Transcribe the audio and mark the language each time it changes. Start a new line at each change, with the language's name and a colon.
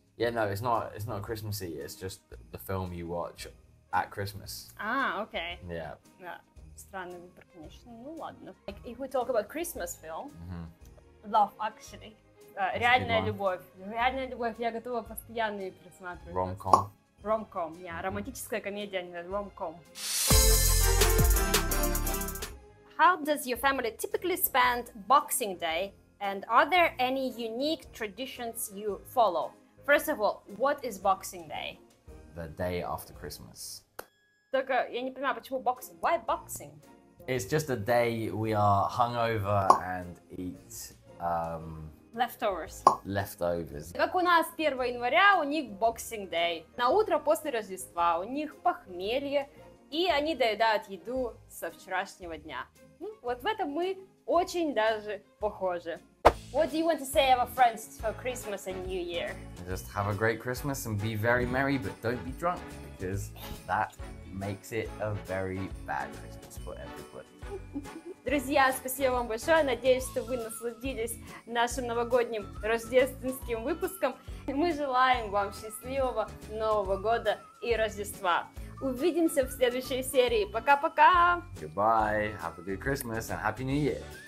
English: Yeah, no, it's not Christmassy, it's just the film you watch at Christmas. Ah, okay. Yeah.
Russian: Странный выбор, конечно. Ну ладно.
English: Like, if we talk about Christmas film, mm-hmm. Love, actually.
Russian: Реальная любовь. Реальная любовь, я готова постоянно ее пересматривать. Ром-ком. Ром-ком, yeah. Mm-hmm. Романтическая комедия, не ром-ком.
English: How does your family typically spend Boxing Day? And are there any unique traditions you follow? First of all, what is Boxing Day? The day after Christmas.
Russian: Только я не понимаю, почему Boxing?
English: Why Boxing? It's just a day we are hungover and eat...
Russian: Leftovers. Как у нас 1 января, у них Boxing Day. На утро после Рождества у них похмелье, и они доедают еду со вчерашнего дня. Ну, вот в этом мы очень даже похожи.
English: What do you want to say to our friends for Christmas and New Year? Just have a great Christmas and be very merry, but don't be drunk, because that makes it a very bad Christmas for everybody.
Russian: Друзья, спасибо вам большое. Надеюсь, что вы насладились нашим новогодним рождественским выпуском. Мы желаем вам счастливого Нового года и Рождества. Увидимся в следующей серии. Пока-пока!
English: Goodbye, have a good Christmas and Happy New Year!